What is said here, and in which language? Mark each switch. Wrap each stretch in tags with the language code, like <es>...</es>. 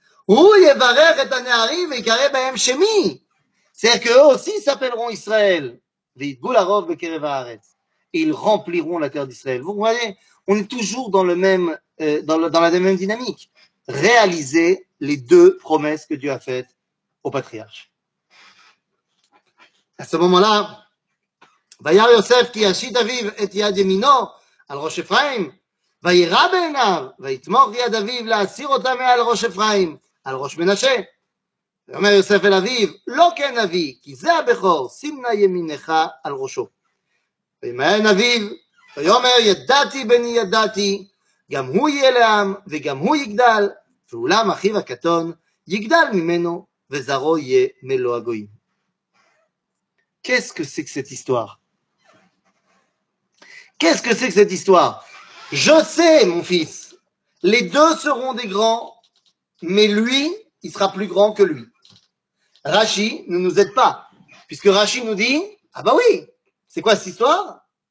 <he>Ou yevarer et anéarim et karé bahem shemi.</he> <fr>C'est-à-dire qu'eux aussi s'appelleront Israël.</fr> <he>Vit goularov et kereva aretz.</he> <fr>Et ils rempliront la terre d'Israël. Vous voyez, on est toujours dans le même, dans la même dynamique. Réaliser les deux promesses que Dieu a faites au patriarche. À ce moment-là,</fr> <he>ויר יוסף כי ישית אביו את יד ימינו על ראש אפרים, וירא בעיניו, ויתמוך יד אביו להסיר אותה מעל ראש אפרים, על ראש מנשה. ואומר יוסף אל אביו, לא כן אבי, כי זה הבכור, שים נא ימינך על ראשו. וימיין אביו, ויאמר ידעתי בני ידעתי, גם הוא יהיה לעם, וגם הוא יגדל, ואולם אחיו הקטון יגדל ממנו, וזרו יהיה מלוא הגויים.</he> <fr>Qu'est-ce que c'est que cette histoire? Je sais, mon fils, les deux seront des grands, mais lui, il sera plus grand que lui. Rashi ne nous aide pas, puisque Rashi nous dit, ah bah oui, c'est quoi cette histoire?</fr>